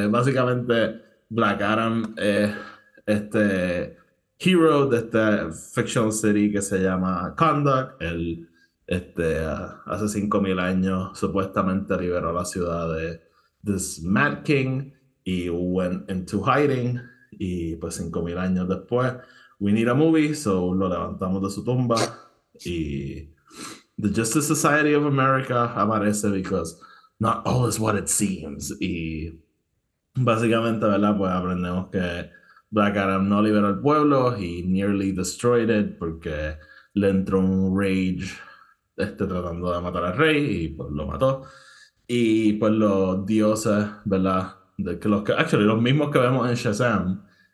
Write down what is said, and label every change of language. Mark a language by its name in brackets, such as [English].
[Spanish] Básicamente, Black Adam es hero de esta [English] fictional city [Spanish] que se llama Conduct. Él hace 5.000 años supuestamente liberó la ciudad de [English] this Mad King [Spanish] y [English] went into hiding. [Spanish] Y pues 5.000 años después, [English] we need a movie, so [Spanish] lo levantamos de su tumba. [English] Y The Justice Society of America aparece because not all is what it seems. [Spanish] Y básicamente, ¿verdad? Pues aprendemos que Black Adam no liberó al pueblo, [English] he nearly destroyed it [Spanish] porque le entró un rage tratando de matar al rey y pues lo mató. Y pues los dioses, ¿verdad? De que los que, actually, los mismos que vemos en Shazam,